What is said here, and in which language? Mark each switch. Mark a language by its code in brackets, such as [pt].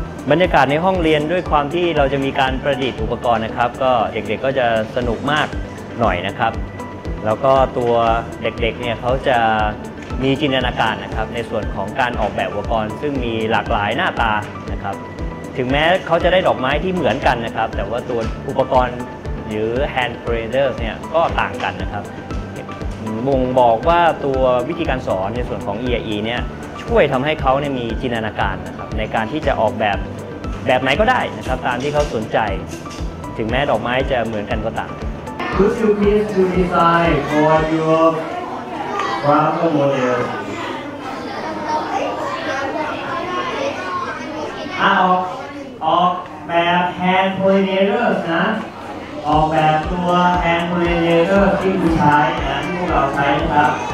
[th] บรรยากาศในห้องเรียนด้วยความที่เราจะมีการประดิษฐ์อุปกรณ์นะครับก็เด็กๆก็จะสนุกมากหน่อยนะครับแล้วก็ตัวเด็กๆเนี่ยเขาจะมีจินตนาการนะครับในส่วนของการออกแบบอุปกรณ์ซึ่งมีหลากหลายหน้าตานะครับถึงแม้เขาจะได้ดอกไม้ที่เหมือนกันนะครับแต่ว่าตัวอุปกรณ์หรือ hand painters เนี่ยก็ต่างกันนะครับ บ่งบอกว่าตัววิธีการสอนในส่วนของ EAE เนี่ยช่วยทำให้เขาเนี่ยมีจินตนาการนะครับในการที่จะออกแบบแบบไหนก็ได้นะครับตามที่เขาสนใจถึงแม้ดอกไม้จะเหมือนกันก็ตาม [en] Could you please to design for your flower model? [th] ออกแบบ hand pollinators นะออกแบบตัว hand pollinators ที่คุณใช้นะที่พวกเราใช้นะครับ